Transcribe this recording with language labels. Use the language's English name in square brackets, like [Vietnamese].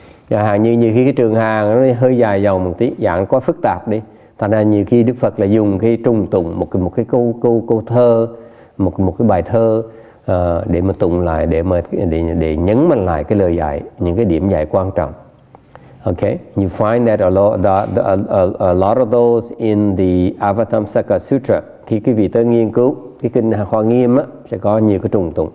[Vietnamese] Hàng như khi cái trường hàng nó hơi dài dòng một tí, dạng quá phức tạp đi. Thành ra nhiều khi Đức Phật là dùng cái trung tụng một cái câu thơ, một cái bài thơ để mà tụng lại, để nhấn mạnh lại cái lời dạy, những cái điểm dạy quan trọng. [English] Okay, you find that a lot of those in the Avatamsaka Sutra. [Vietnamese] Khi quý vị tới nghiên cứu cái kinh Hoa Nghiêm á, sẽ có nhiều cái trùng tụng.